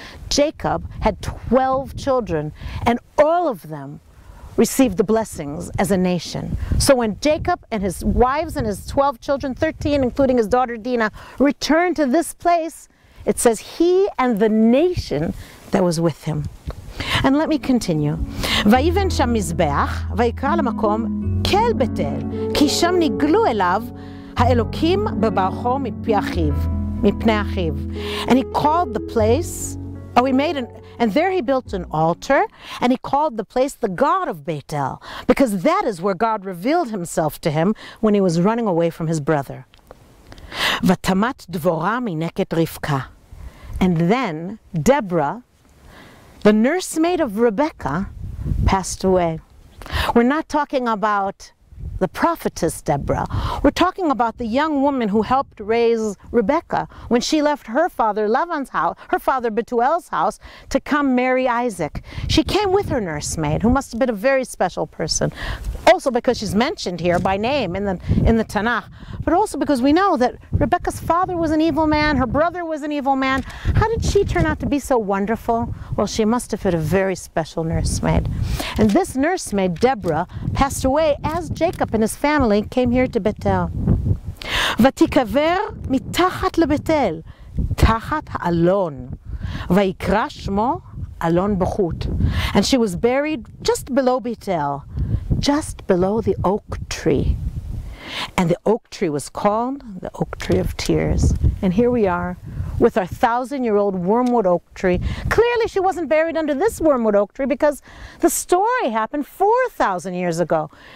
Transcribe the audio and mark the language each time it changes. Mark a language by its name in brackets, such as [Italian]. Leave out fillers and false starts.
[English] Jacob had 12 children, and all of them received the blessings as a nation. So when Jacob and his wives and his 12 children, 13 including his daughter Dinah, returned to this place, it says he and the nation that was with him. And let me continue. [Hebrew] ויבן שם מזבח, ויקרא למקום כל בית אל, כי שם נגלו אליו האלוקים בברכו מפי אחיו, מפני אחיו. [English] And he called the place, oh, he made an, and there he built an altar, and he called the place the God of Beit El, because that is where God revealed himself to him when he was running away from his brother. [Hebrew] ותמת דבורה מנקת רבקה. [English] And then Deborah, the nursemaid of Rebekah, passed away. We're not talking about the prophetess Deborah. We're talking about the young woman who helped raise Rebekah when she left her father Laban's house, her father Betuel's house, to come marry Isaac. She came with her nursemaid, who must have been a very special person. Also because she's mentioned here by name in the Tanakh, but also because we know that Rebekah's father was an evil man, her brother was an evil man. How did she turn out to be so wonderful? Well, she must have had a very special nursemaid. And this nursemaid, Deborah, passed away as Jacob and his family came here to Beit El. [Hebrew] ותיקבר מתחת לבית אל, תחת האלון, ויקרא שמו אלון בחוט. [English] And she was buried just below Beit El, just below the oak tree. And the oak tree was called the oak tree of tears. And here we are with our 1,000-year-old wormwood oak tree. Clearly she wasn't buried under this wormwood oak tree because the story happened 4,000 years ago.